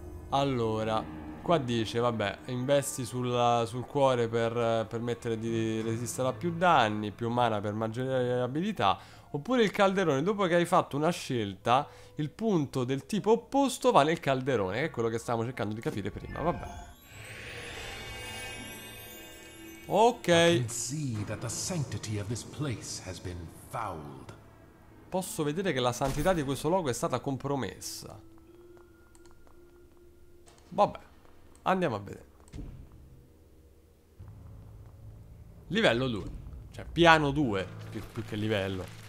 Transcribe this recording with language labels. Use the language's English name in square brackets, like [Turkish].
[Italian] Allora, qua dice, vabbè, investi sul cuore per permettere di resistere a più danni, più mana per maggiore abilità, oppure il calderone, dopo che hai fatto una scelta, il punto del tipo opposto va nel calderone, che è quello che stavamo cercando di capire prima, vabbè. Ok. [English] I can see that the sanctity of this place has been fouled. [Italian] Posso vedere che la santità di questo luogo è stata compromessa. Vabbè, andiamo a vedere. Livello 2. Cioè, piano 2, più che livello.